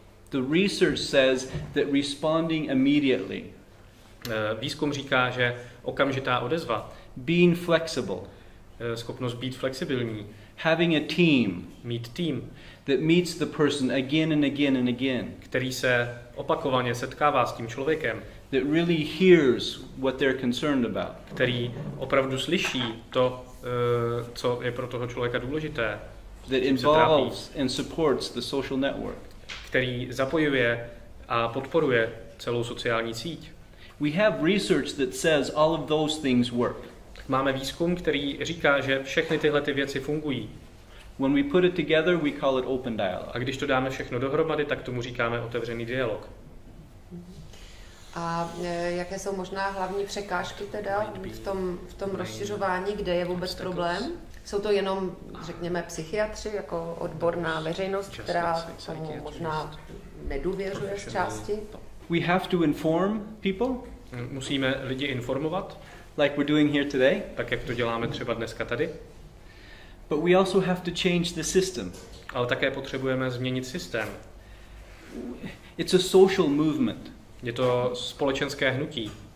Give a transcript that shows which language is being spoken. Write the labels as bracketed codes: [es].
[en] The research says that responding immediately. [cs] Výzkum říká, že okamžitá odezva. [en] Being flexible. [cs] Schopnost být flexibilní. [en] Having a team. [cs] Mít tým. [en] That meets the person again and again and again. [cs] Který se opakovaně setkává s tím člověkem. [en] That really hears what they're concerned about. [cs] Který opravdu slyší to, co je pro toho člověka důležité. [en] That involves and supports the social network. [cs] Který zapojuje a podporuje celou sociální síť. [en] We have research that says all of those things work. [cs] Máme výzkum, který říká, že všechny tyhle ty věci fungují. [en] When we put it together, we call it open dialogue. [cs] A když to dáme všechno dohromady, tak tomu říkáme otevřený dialog. A jaké jsou možná hlavní překážky teda v tom rozšiřování, kde je vůbec problém? Jsou to jenom, řekněme, psychiatři jako odborná veřejnost, která tomu možná nedůvěřuje z části? [en] We have to inform people. [cs] Musíme lidi informovat, [en] like we're doing here today. [cs] Tak jak to děláme třeba dneska tady. [en] But we also have to change the system. [cs] Ale také potřebujeme změnit systém. [en] It's a social movement. [cs] Je to společenské hnutí.